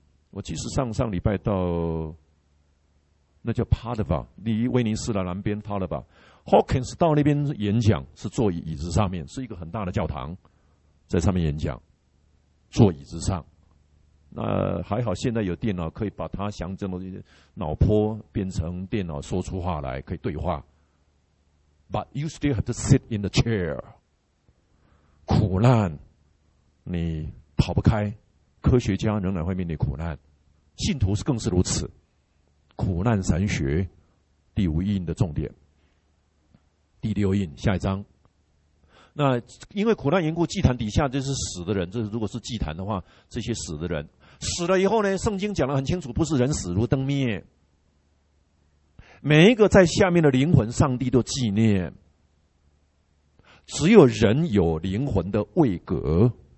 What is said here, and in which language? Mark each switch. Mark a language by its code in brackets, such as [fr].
[zh] 我其实上礼拜到那叫 Padova， 离威尼斯的南边 Padova， Hawkins 到那边演讲是坐椅子上面，是一个很大的教堂，在上面演讲，坐椅子上。那还好现在有电脑可以把它想这么脑波变成电脑说出话来可以对话。 [en] But you still have to sit in the chair. [zh] 苦难你跑不开，科学家仍然会面对苦难，信徒是更是如此。苦难神学第五印的重点。第六印下一章。那因为苦难缘故，祭坛底下就是死的人，这如果是祭坛的话，这些死的人死了以后呢，圣经讲得很清楚，不是人死如灯灭，每一个在下面的灵魂上帝都纪念，只有人有灵魂的位格，